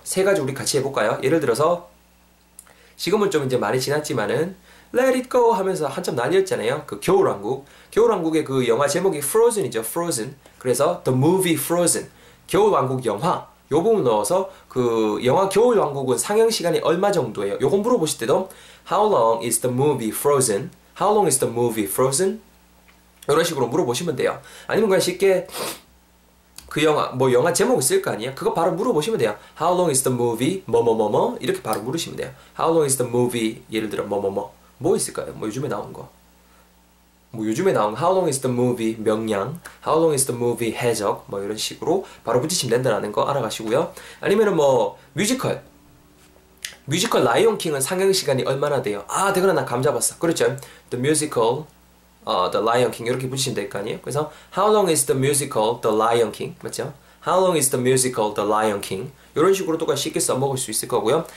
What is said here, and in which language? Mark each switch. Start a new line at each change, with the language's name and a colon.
Korean: 세 가지 우리 같이 해볼까요? 예를 들어서 지금은 좀 이제 많이 지났지만은 Let it go 하면서 한참 난리였잖아요. 그 겨울왕국, 겨울왕국의 그 영화 제목이 Frozen이죠. Frozen. 그래서 The Movie Frozen, 겨울왕국 영화. 요 부분 넣어서 그 영화 겨울왕국은 상영 시간이 얼마 정도예요?
English: 요건 물어보실 때도
Korean: How long is the movie Frozen?
English: How long is the movie Frozen?
Korean: 이런 식으로 물어보시면 돼요. 아니면 그냥 쉽게 그 영화 뭐 영화 제목 있을 거 아니에요? 그거 바로 물어보시면 돼요.
English: How long is the movie?
Korean: 뭐뭐뭐뭐 이렇게 바로 물으시면 돼요.
English: How long is the movie?
Korean: 예를 들어 뭐뭐뭐 뭐 있을까요? 뭐 요즘에 나온 거. 뭐 요즘에 나온
English: How long is the movie
Korean: 명량, How long is the movie 해적, 뭐 이런 식으로 바로 붙이시면 된다는 거 알아가시고요. 아니면은 뭐 뮤지컬 라이온 킹은 상영 시간이 얼마나 돼요? 아, 대그나 나감 잡았어. 그렇죠? The musical, The Lion King 이렇게 붙이시면 될거 아니에요?
English: 그래서 How long is the musical The Lion King 맞죠? How long is the musical
Korean: The Lion King 이런 식으로 또 쉽게 써먹을 수 있을 거고요.